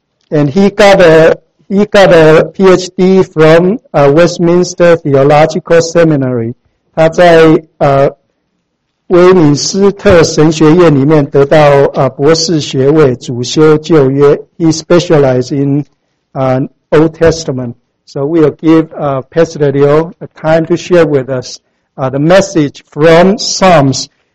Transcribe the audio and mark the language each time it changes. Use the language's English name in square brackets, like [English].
[English] And he got a PhD from Westminster Theological Seminary. [Chinese] 他在威敏斯特神学院里面得到博士学位，主修旧约。 [English] He specializes in Old Testament. So we'll give Pastor Liu a time to share with us the message from Psalms.